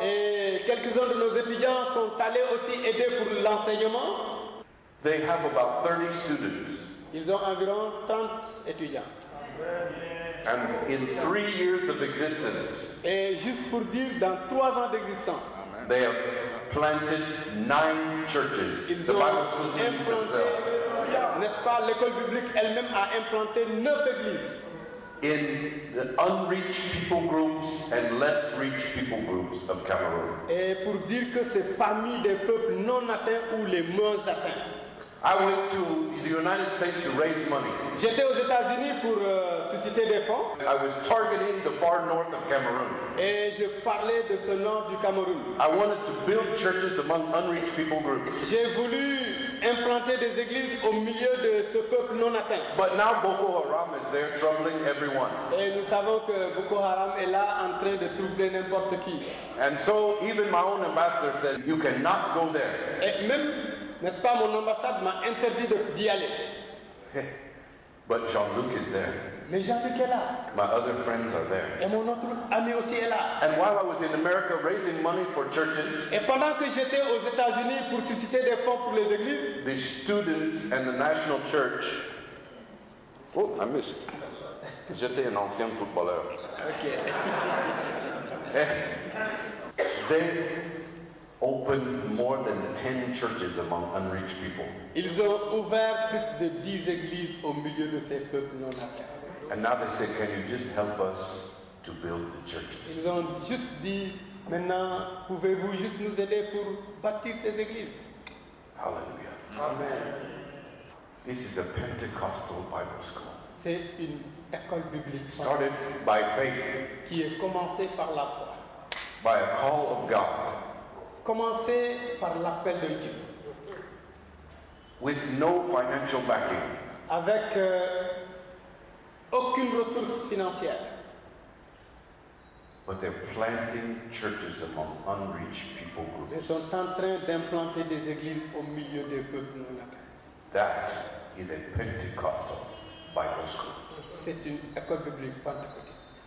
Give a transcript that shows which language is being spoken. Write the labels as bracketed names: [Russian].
[French] Et quelques-uns de nos étudiants sont allés aussi aider pour l'enseignement. [English] They have about 30 students. [French] Ils ont environ 30 étudiants. [English] And in 3 years of existence, [French] et juste pour dire, dans 3 ans d'existence, [English] they have planted 9 churches. [French] Ils ont [English] the Bible schools themselves. [French] N'est-ce pas, l'école biblique elle-même a implanté 9 églises. [English] In the unreached people groups and less reached people groups of Cameroon. [French] Et pour dire que c'est parmi des peuples non atteints ou les moins atteints. [English] I went to the United States to raise money. [French] J'étais aux États-Unis pour susciter des fonds. [English] I was targeting the far north of Cameroon. [French] Et je parlais de ce nord du Cameroun. [English] I wanted to build churches among unreached people groups. [French] J'ai voulu implanter des églises au milieu de ce peuple non atteint. [English] But now Boko Haram is there troubling everyone. [French] Et nous savons que Boko Haram est là en train de troubler n'importe qui. [English] And so even my own ambassador said, you cannot go there. [French] Et même n'est-ce pas, mon ambassade m'a interdit d'y aller. [English] But Jean-Luc is there. [French] Mais Jean-Luc est là. [English] My other friends are there. [French] Et mon autre ami aussi est là. [English] And while I was in America raising money for churches, [French] et pendant que j'étais aux États-Unis pour susciter des fonds pour les églises, [English] the students and the national church. Oh, I missed. [French] J'étais un ancien footballeur. [English] Okay. Then opened more than 10 churches among unreached people. [French] Ils ont ouvert plus de 10 églises au milieu de ces peuples non atteints. [English] And now they said, can you just help us to build the churches? [French] Ils ont juste dit, maintenant, pouvez-vous juste nous aider pour bâtir ces églises? [English] Hallelujah. Amen. This is a Pentecostal Bible school. [French] C'est une école biblique. [English] Started by faith. [French] Qui est commencée par la foi. [English] By a call of God. [French] Commencer par l'appel de Dieu. [English] With no financial backing. [French] Avec aucune ressource financière. [English] But they're planting churches among unreached people groups. [French] Ils sont en train d'implanter des églises au milieu des peuples non atteints. [English] That is a Pentecostal Bible school. [French] C'est une école biblique pentecôtiste.